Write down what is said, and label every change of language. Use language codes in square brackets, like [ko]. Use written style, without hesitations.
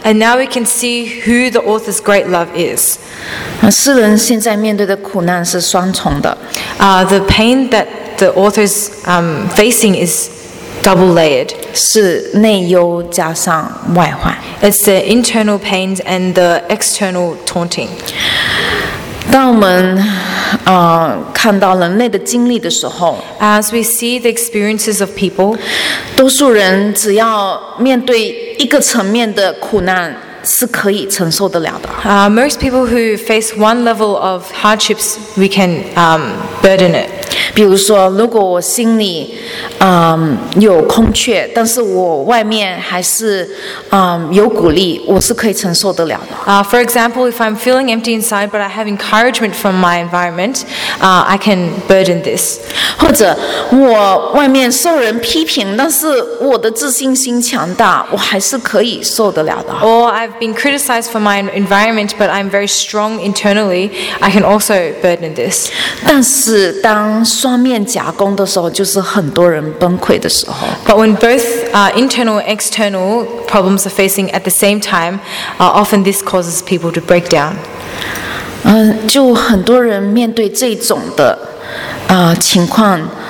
[en] And now we can see who the author's great love is. [zh] 诗人现在面对的苦难是双重的。 [en] The pain that the author's facing is double layered [zh] 是内忧加上外患 [en] It's the internal pains and the external taunting [zh] 当我们看到人类的经历的时候 [en] As we see the experiences of people [zh] 多数人只要面对一个层面的苦难是可以承受得了的 [en] Most people who face one level of hardships we can burden it [zh] 比如说如果我心里有空缺但是我外面还是有鼓励我是可以承受得了的 [en] For example, if I'm feeling empty inside but I have encouragement from my environment I can burden this [zh] 或者我外面受人批评但是我的自信心强大我还是可以受得了的 [en] Or I've been criticized for my environment but I'm very strong internally I can also burden this [zh] 但是当双面夹攻的时候就是很多人崩溃的时候 [en] But when both internal and external problems are facing at the same time often this causes people to break down [zh] 就很多人面对这种的情况